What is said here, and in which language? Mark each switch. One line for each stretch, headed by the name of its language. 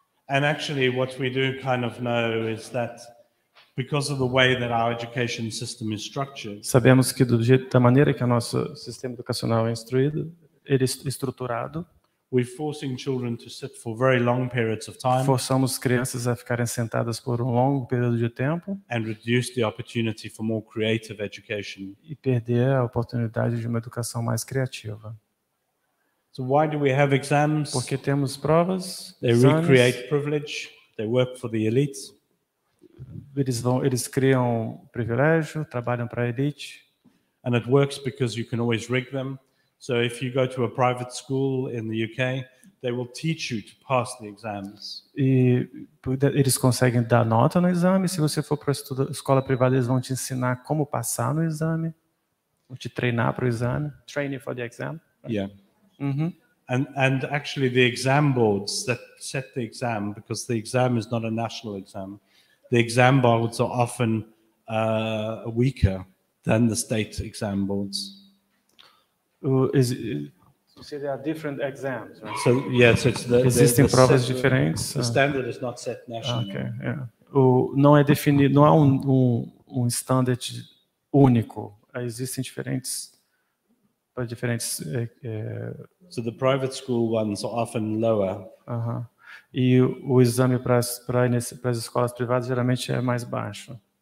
English: And actually, what we do kind of know is that because of the way that our education system is structured.
Portuguese: Sabemos que da maneira que o nosso sistema educacional é instruído, ele é estruturado.
English: We're forcing children to sit for very long periods of time.
Portuguese: Forçamos crianças a ficarem sentadas por um longo período de tempo.
English: And reduce the opportunity for more creative education.
Portuguese: E perder a oportunidade de uma educação mais criativa.
English: So why do we have exams?
Portuguese: Porque temos provas.
English: They recreate privilege. They work for the elites.
Portuguese: Eles criam privilégio, trabalham para a elite.
English: And it works because you can always rig them. So if you go to a private school in the UK, they will teach you to pass the exams.
Portuguese: E eles conseguem dar nota no exame. Se você for para a escola privada, eles vão te ensinar como passar no exame, vão te treinar para o exame.
English: Train you for the exam. Yeah. Uhum. And actually the exam boards that set the exam, because the exam is not a national exam. The exam boards are often weaker than the state exam boards. So see, there are different exams, right? So yes, so it's the existing
Portuguese: provas diferentes.
English: The standard is not set nationally.
Portuguese: Okay, yeah. Não é definido, não há um standard único existem diferentes para diferentes.
English: So the private school ones are often lower.
Portuguese: E o exame para as escolas privadas geralmente é mais baixo.